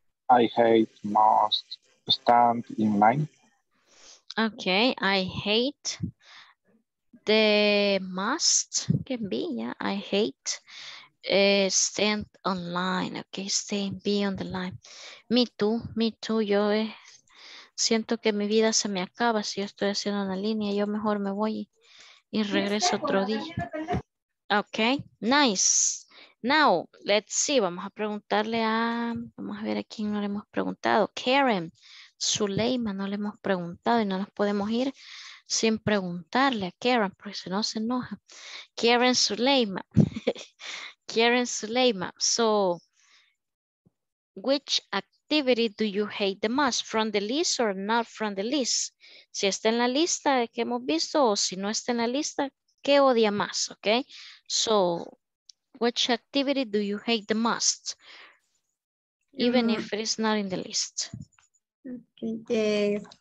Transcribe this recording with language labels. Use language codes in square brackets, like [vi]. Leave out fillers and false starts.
[en] I hate most stand in line. Okay, I hate the must, can be, yeah, I hate Stand online, okay, stay, be on the line. Me too, [es] yo siento que mi vida se me acaba si yo estoy haciendo una línea, yo mejor me voy y regreso otro día. [en] Okay, nice. Now, let's see, [es] vamos a preguntarle a, vamos a ver a quién no le hemos preguntado. Karen, Zuleima, no le hemos preguntado y no nos podemos ir sin preguntarle a Karen, porque si no se enoja. Karen, Zuleima. [en] Karen Suleima, so which activity do you hate the most? From the list or not from the list? [es] Si está en la lista que hemos visto o si no está en la lista, ¿qué odia más? [en] Okay, so which activity do you hate the most? Even mm-hmm. if it's not in the list. Okay.